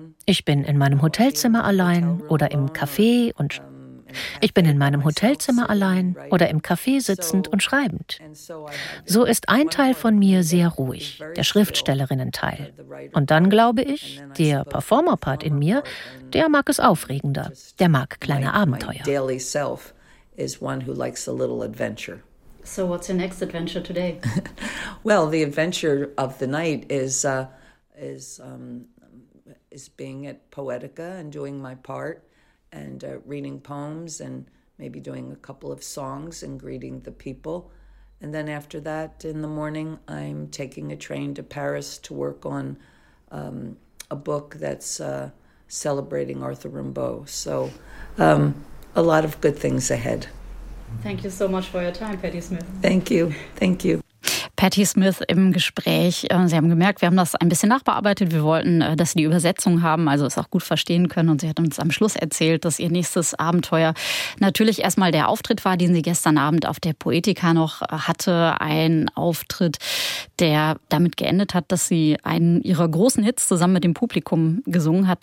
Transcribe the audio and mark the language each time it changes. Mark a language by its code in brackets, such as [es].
[de] Ich bin in meinem Hotelzimmer allein oder im Café und ich bin in meinem Hotelzimmer allein oder im Café sitzend und schreibend. So ist ein Teil von mir sehr ruhig, der Schriftstellerinnen-Teil. Und dann glaube ich, der Performer-Part in mir, der mag es aufregender, der mag kleine Abenteuer. [en] Daily self is one who likes a little adventure. So what's your next adventure today? Well, the adventure of the night is being at Poetica and doing my part. And reading poems and maybe doing a couple of songs and greeting the people. And then after that, in the morning, I'm taking a train to Paris to work on a book that's celebrating Arthur Rimbaud. So a lot of good things ahead. Thank you so much for your time, Patty Smith. Thank you. Thank you. [de] Patty Smith im Gespräch. Sie haben gemerkt, wir haben das ein bisschen nachbearbeitet. Wir wollten, dass Sie die Übersetzung haben, also es auch gut verstehen können. Und sie hat uns am Schluss erzählt, dass ihr nächstes Abenteuer natürlich erstmal der Auftritt war, den sie gestern Abend auf der Poetica noch hatte. Ein Auftritt, der damit geendet hat, dass sie einen ihrer großen Hits zusammen mit dem Publikum gesungen hat.